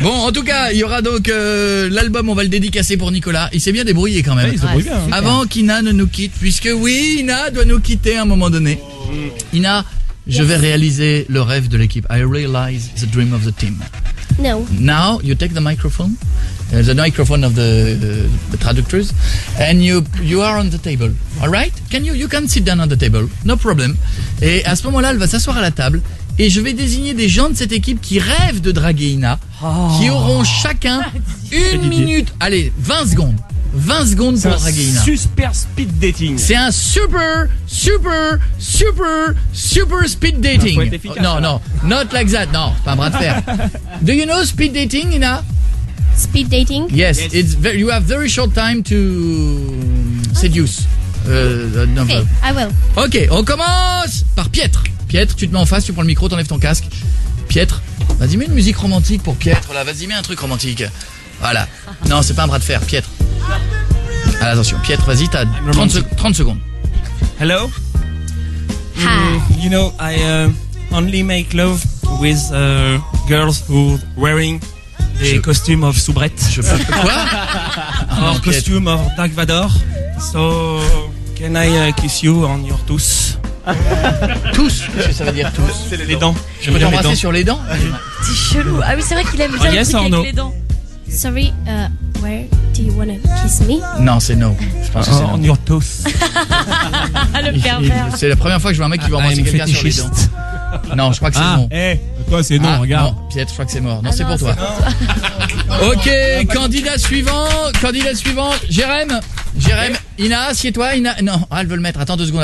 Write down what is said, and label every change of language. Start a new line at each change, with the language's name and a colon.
French: Bon, en tout cas, il y aura donc l'album, on va le dédicacer pour Nicolas. Il s'est bien débrouillé quand même. Ouais, il se débrouille bien. Avant qu'Ina ne nous quitte, puisque oui, Ina doit nous quitter à un moment donné. Oh. Ina, je vais réaliser le rêve de l'équipe.
English: I realize the dream of the team. No. Now, you take the microphone, the microphone of the traductors, and you are on the table. All right? You can sit down on the table. No problem.
French: Et à ce moment-là, elle va s'asseoir à la table. Et je vais désigner des gens de cette équipe qui rêvent de draguer Ina, qui auront chacun une minute, allez, 20 secondes. 20 secondes c'est pour draguer Ina. C'est un super speed dating. C'est un super, super, super, super speed dating.
English: Non, not like that,
French: non, pas un bras de fer.
English: Do you know speed dating, Ina? Speed dating? Yes, it's very, you have very short time to seduce. Okay, I will.
French: Ok, on commence par Pietre. Pietre, tu te mets en face, tu prends le micro, t'enlèves ton casque. Pietre, vas-y, mets une musique romantique pour Pietre. Voilà, vas-y, mets un truc romantique. Voilà. Non, c'est pas un bras de fer, Pietre. Allez, attention, Pietre, vas-y, t'as 30 secondes.
English: Hello. Hi. You know, I only make love with girls who wearing the costume of soubrette.
French: Je fais quoi?
English: Or costume of Dark Vador. So, can I kiss you on your tooth?
French: Tous, ça veut dire tous. C'est les dents. Je vais t'embrasser sur les dents. C'est chelou. Ah oui, c'est vrai qu'il aime bien les dents.
English: Sorry, where do you want to kiss me?
French: Non, c'est no. Je pense que c'est
English: on your tooth.
French: Le pervers. C'est la première fois que je vois un mec qui va embrasser quelqu'un sur les dents. Non, je crois que c'est non. Hey, toi, c'est non, ah, regarde. Non, Piet, je crois que c'est mort. Non, ah c'est non, pour c'est toi. Non. Non. Ok, candidat suivant, Jérém. Jérém, okay. Ina, assieds-toi, Ina. Non, ah, elle veut le mettre. Attends deux secondes.